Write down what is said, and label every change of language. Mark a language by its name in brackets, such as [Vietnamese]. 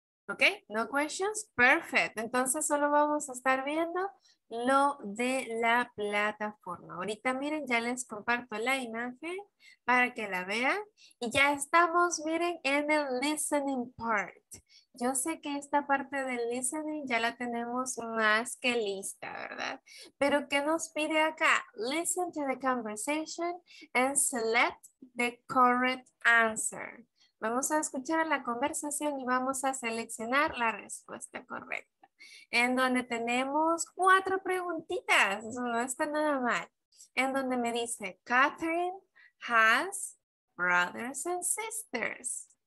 [Spanish] Ok, [English] no questions, perfect. [Spanish] Entonces solo vamos a estar viendo lo de la plataforma. Ahorita miren, ya les comparto la imagen para que la vean. Y ya estamos, miren, en el listening part. Yo sé que esta parte del listening ya la tenemos más que lista, ¿verdad? Pero ¿qué nos pide acá? [English] Listen to the conversation and select the correct answer. [Spanish] Vamos a escuchar la conversación y vamos a seleccionar la respuesta correcta. En donde tenemos cuatro preguntitas, no está nada mal. En donde me dice, [English] Catherine has brothers and sisters.